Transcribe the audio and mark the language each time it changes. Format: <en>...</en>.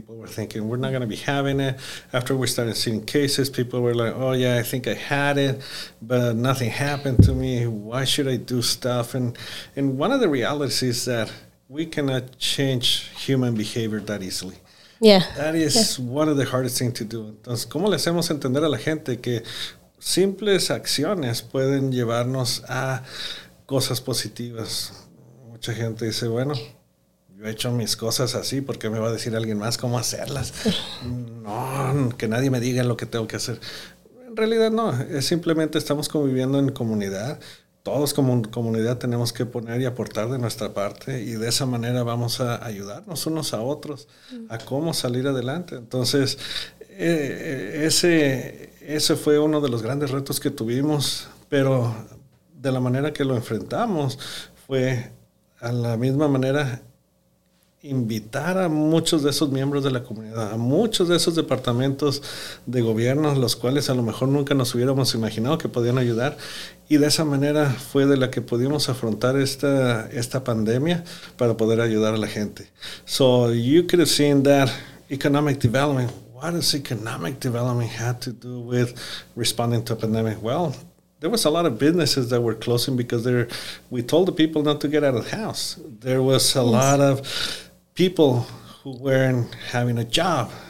<en>People were thinking, we're not going to be having it. After we started seeing cases, people were like, oh, yeah, I think I had it, but nothing happened to me. Why should I do stuff? And one of the realities is that we cannot change human behavior that easily. Yeah. That is one of the hardest things to do.</en> <es>Entonces, ¿cómo le hacemos entender a la gente que simples acciones pueden llevarnos a cosas positivas? Mucha gente dice, bueno, yo he hecho mis cosas así, ¿por qué me va a decir alguien más cómo hacerlas? No, que nadie me diga lo que tengo que hacer. En realidad, no. Es simplemente estamos conviviendo en comunidad. Todos como comunidad tenemos que poner y aportar de nuestra parte y de esa manera vamos a ayudarnos unos a otros a cómo salir adelante. Entonces, ese fue uno de los grandes retos que tuvimos, pero de la manera que lo enfrentamos fue a la misma manera invitar a muchos de esos miembros de la comunidad, a muchos de esos departamentos de gobierno, los cuales a lo mejor nunca nos hubiéramos imaginado que podían ayudar. Y de esa manera fue de la que pudimos afrontar esta pandemia para poder ayudar a la gente.</es> <en>So you could have seen that economic development. What does economic development had to do with responding to a pandemic? Well, there was a lot of businesses that were closing because we told the people not to get out of the house. There was a lot of people who weren't having a job.</en>